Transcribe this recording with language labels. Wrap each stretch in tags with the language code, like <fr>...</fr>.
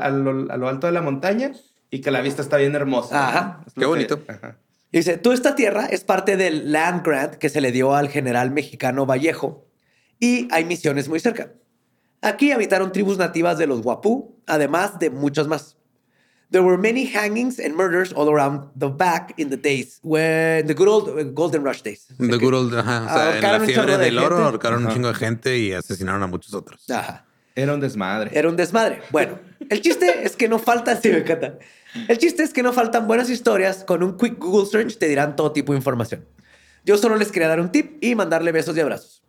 <es>a lo alto de la montaña y que la vista está bien hermosa. Ajá. Qué bonito. Y dice, toda esta tierra es parte del land grant que se le dio al general mexicano Vallejo y hay misiones muy cerca. Aquí habitaron tribus nativas de los Wapú, además de muchas más.</es> <en>There were many hangings and murders all around the back in the days when the good old golden rush days. The good old,</en> <es>ajá. O sea, en la fiebre del oro ahorcaron un chingo de gente y asesinaron a muchos otros. Ajá. Era un desmadre. Era un desmadre. Bueno, el chiste es que no falta... Sí, me encanta. El chiste es que no faltan buenas historias. Con un</es> <en>quick Google search</en> <es>te dirán todo tipo de información. Yo solo les quería dar un tip y mandarle besos y abrazos.</es>